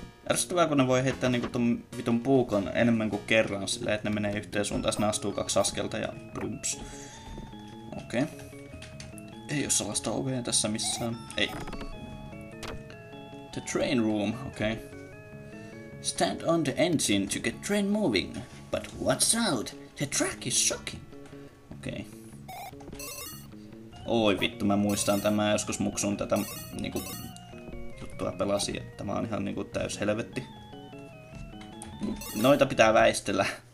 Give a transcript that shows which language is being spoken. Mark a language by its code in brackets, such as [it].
[fi] Ärsyttävää, kun ne voi heittää niinku ton vitun puukon enemmän kuin kerran silleen, että ne menee yhteen suuntaan, ne astuu kaksi askelta ja brumps. Okei. Okay. Ei oo sellaista ovea tässä missään. Ei. [en] The train room, okei. Okay. Stand on the engine to get train moving. But watch out, the track is shocking. [fi] Okei. Okay. Oi vittu, mä muistan tämän. Joskus muksun tätä niinku juttua pelasi. Tämä on ihan niinku täys helvetti. Noita pitää väistellä.